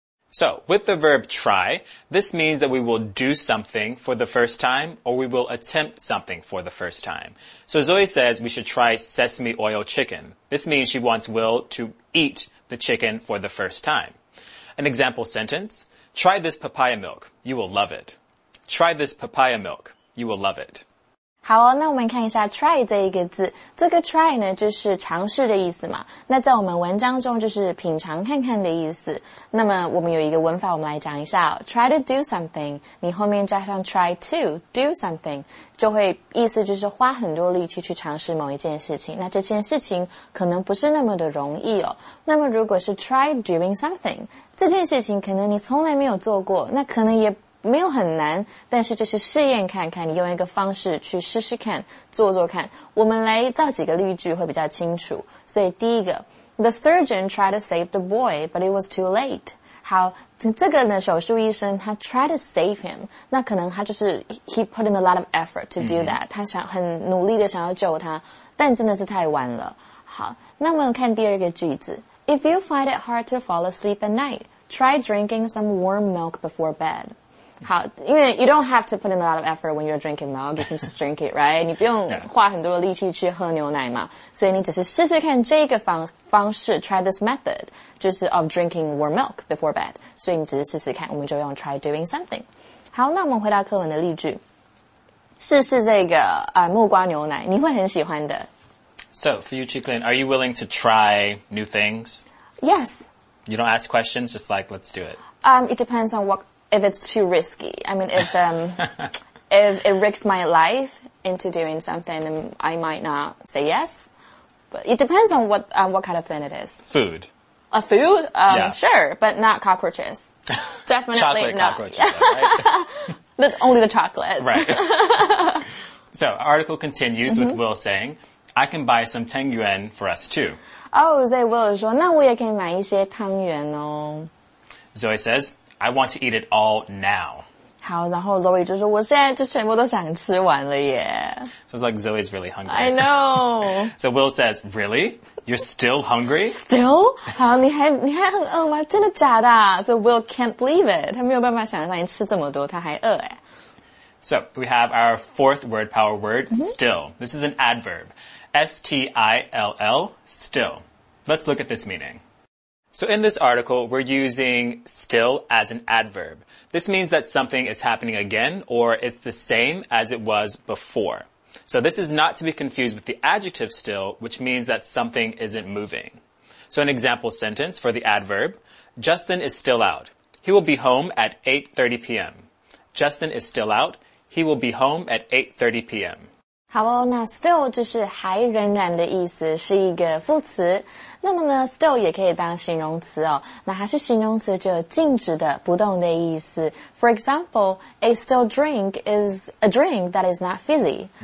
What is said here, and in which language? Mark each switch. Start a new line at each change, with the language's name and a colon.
English: So with the verb try, this means that we will do something for the first time or we will attempt something for the first time. So Zoe says we should try sesame oil chicken. This means she wants Will to eat the chicken for the first time. An example sentence, try this papaya milk, you will love it. Try this papaya milk, you will love it.
Chinese: 好哦，那我们看一下 try 这一个字，这个 try 呢就是尝试的意思嘛，那在我们文章中就是品尝看看的意思。那么我们有一个文法，我们来讲一下哦，
English: try to do something，
Chinese: 你后面加上 try to do something， 就会意思就是花很多力气去尝试某一件事情，那这件事情可能不是那么的容易哦。那么如果是
English: try doing something，
Chinese: 这件事情可能你从来没有做过，那可能也没有很难，但是就是试验看看，你用一个方式去试试看，做做看。我们来造几个例句会比较清楚。所以第一个
English: ,The surgeon tried to save the boy, but it was too late.
Chinese: 好，这个呢，手术医生他
English: tried to save him,
Chinese: 那可能他就是
English: he put in a lot of effort to do that,
Chinese: 他想很努力的想要救他，但真的是太晚了。好，那我们看第二个句子
English: ,If you find it hard to fall asleep at night, try drinking some warm milk before bed.
Chinese: 好，因为
English: you don't have to put in a lot of effort when you're drinking milk, you can just drink it, right?
Chinese: 你不用花很多力气去喝牛奶嘛，所以你只是试试看这个 方式
English: try this method,
Chinese: 就是
English: of drinking warm milk before bed,
Chinese: 所以你只是试试看，我们就用
English: try doing something.
Chinese: 好，那我们回到课文的例句，试试这个木瓜牛奶，你会很喜欢的。
English: So, for you, Chiklin, are you willing to try new things? Yes. You don't ask questions, just like, let's do it. It depends on what... If it's too risky, I mean, if it risks my life into doing something, then I might not say yes. But it depends on what kind of thing it is. Food. A food? Sure, but not cockroaches. Definitely chocolate not. Chocolate cockroaches, right? Only the chocolate. Right. So, our article continues with Will saying, I can buy some 10 yuan for us too.
Chinese: Oh, so Will 说，那我也可以买一些 10 yuan 哦。
English: Zoe says,I want to eat it all now.
Chinese: 好，然后 Zoe 就说，我现在就全部都想吃完了耶。
English: Sounds like Zoe's really hungry. I know. So Will says, really? You're still hungry? Still?
Chinese: 好，你还很饿吗？真的假的？
English: So Will can't believe it.
Chinese: 他没有办法想象，吃这么多，他还饿耶。
English: So we have our fourth word, power word, still. This is an adverb. S-T-I-L-L, still. Let's look at this meaning. So in this article, we're using still as an adverb. This means that something is happening again or it's the same as it was before. So this is not to be confused with the adjective still, which means that something isn't moving. So an example sentence for the adverb, Justin is still out. He will be home at 8:30 p.m. Justin is still out. He will be home at 8:30 p.m.
Chinese: 好哦，那 still 就是还仍然的意思，是一个副词。那么呢 ，still 也可以当形容词哦。那它是形容词，就有静止的、不动的意思。
English: For example, a still drink is a drink that is not fizzy.